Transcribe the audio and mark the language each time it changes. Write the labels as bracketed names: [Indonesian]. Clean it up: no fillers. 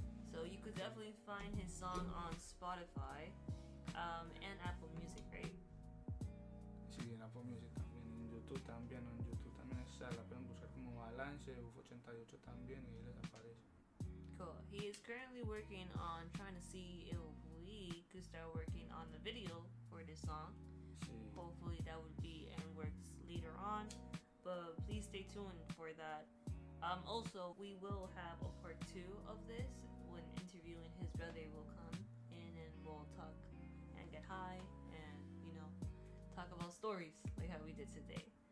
[English] So you could definitely find his song on Spotify and Apple Music, right? [Spanish] Sí, en Apple Music también, en YouTube también está, la pueden buscar como Balance, UF88 también, y les aparece. [English] Cool. He is currently working on trying to see if we could start working on the video for this song. [Spanish] Sí. [English] Hopefully that would be and works later on, but please stay tuned for that. Also, we will have a part two of this. When interviewing his brother will come in and we'll talk and get high and, you know, talk about stories like how we did today.